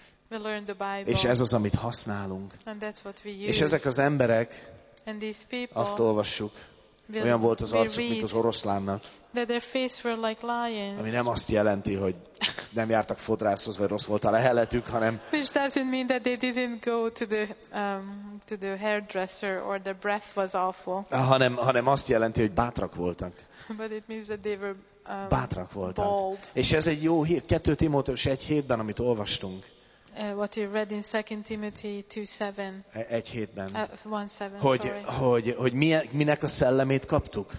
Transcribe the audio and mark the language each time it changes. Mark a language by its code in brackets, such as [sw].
[en] We learn the Bible. [hu] És ez az, amit használunk. [en] And that's what we use. [hu] És ezek az emberek, [en] and these people, [hu] azt olvassuk, Olyan volt az arcuk, mint az oroszlánnak. [en] That their face were like lions. [hu] Ami nem azt jelenti, hogy nem jártak fodrászhoz, vagy rossz volt a leheletük, hanem [en] which doesn't mean that they didn't go to the hairdresser or their breath was awful. [hu] Hanem azt jelenti, hogy bátrak voltak. [en] But it means that they were [hu] bátrak voltak. [en] Bald. [hu] És ez egy jó hír, 2 Timóteus 1:7-ben, amit olvastunk. [en] What you read in 2 Timothy 2:7. [hu] 1:7-ben. 1:7. Hogy minek a szellemét kaptuk?